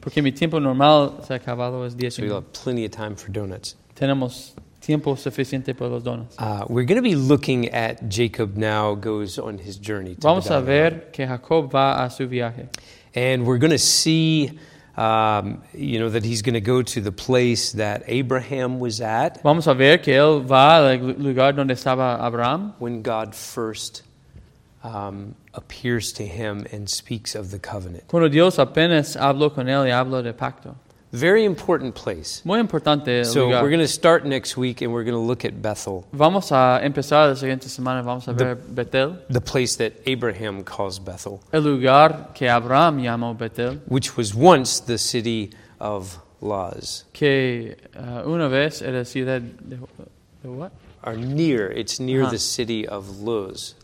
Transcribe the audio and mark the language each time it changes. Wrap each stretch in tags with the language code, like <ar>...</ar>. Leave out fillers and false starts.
<es>Porque mi tiempo normal se ha acabado es 10.</es> <en>So we'll have plenty of time for donuts.</en> <es>Tenemos tiempo suficiente para los donuts.</es> <en>We're going to be looking at Jacob now goes on his journey. To</en> <es>Vamos a ver que Jacob va a su viaje.</es> <en>And we're going to see, that he's going to go to the place that Abraham was at.</en> <es>Vamos a ver que él va al lugar donde estaba Abraham.</es> <en>When God first appears to him and speaks of the covenant.</en> <es>Cuando Dios apenas habló con él y habló del pacto.</es> <en>Very important place.</en> <es>Muy importante</es> <en>so</en> <es>lugar.</es> <en>We're going to start next week and we're going to look at Bethel.</en> <es>Vamos a empezar la siguiente semana y vamos a ver Bethel.</es> <en>The place that Abraham calls Bethel.</en> <es>El lugar que Abraham llamó Bethel.</es> <en>Which was once the city of Luz.</en> <es>Que una vez era ciudad de what?</es> <en>Are near. It's near the city of Luz.</en>